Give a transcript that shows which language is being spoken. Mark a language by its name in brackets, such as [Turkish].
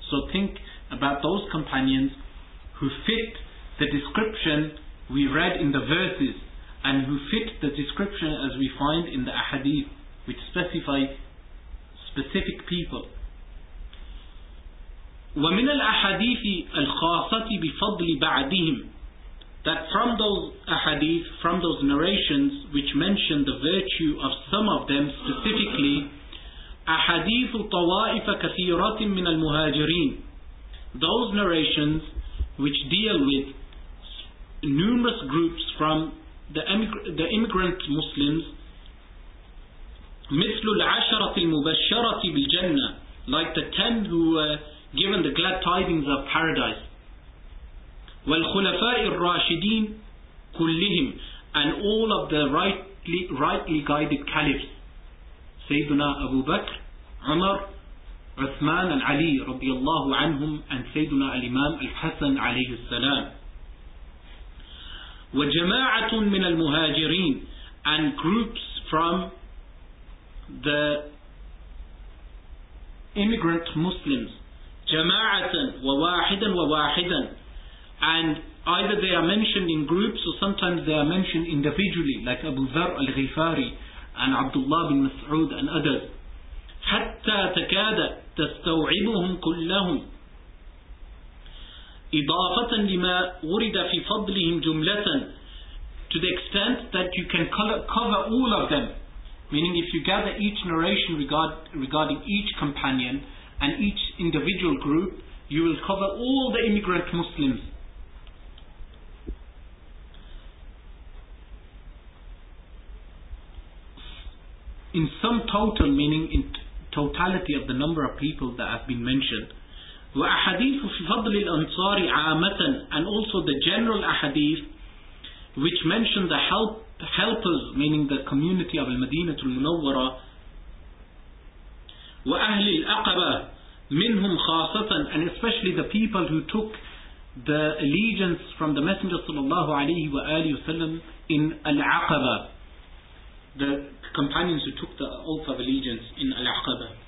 [English] So think about those companions who fit the description we read in the verses, and who fit the description as we find in the ahadith, which specify specific people. [Arabic] وَمِنَ الْأَحَدِيثِ الْخَاصَةِ بِفَضْلِ بَعْدِهِمْ. [English] That from those ahadith, from those narrations which mention the virtue of some of them specifically, [Arabic] أحاديث طوائف كثيرة من المهاجرين. [English] Those narrations which deal with numerous groups from the immigrant Muslims, [Arabic] مثل العشرة المبشرة بالجنة, [English] like the 10 who were given the glad tidings of paradise, [Arabic] والخلفاء الراشدين كلهم, [English] and all of the rightly guided caliphs, سيدنا أبو بكر, Umar, Uthman and Ali [Arabic] رضي الله عنهم, [English] and Sayyiduna al-Imam al-Hasan [Arabic] عليه السلام. وجماعة من المهاجرين, [English] and groups from the immigrant Muslims, [Arabic] جماعة وواحدا وواحدا, [English] and either they are mentioned in groups or sometimes they are mentioned individually, like Abu Dharr al-Ghifari and Abdullah bin Mas'ud and others. [Arabic] حتى تكاد تستوعبهم كلهم إضافة لما ورد في فضلهم جملة, [English] to the extent that you can cover all of them, meaning if you gather each narration regarding each companion and each individual group, you will cover all the immigrant Muslims. In some total, meaning in totality of the number of people that have been mentioned. [Arabic] وأحاديث في فضل الأنصار عامة, [English] and also the general ahadith which mention the helpers, meaning the community of المدينة المنورة. [Arabic] وأهل الأقبة منهم خاصة, [English] and especially the people who took the allegiance from the Messenger [Arabic] صلى الله عليه وآله وسلم [English] in العقبة, the companions who took the oath of allegiance in Al-Aqaba.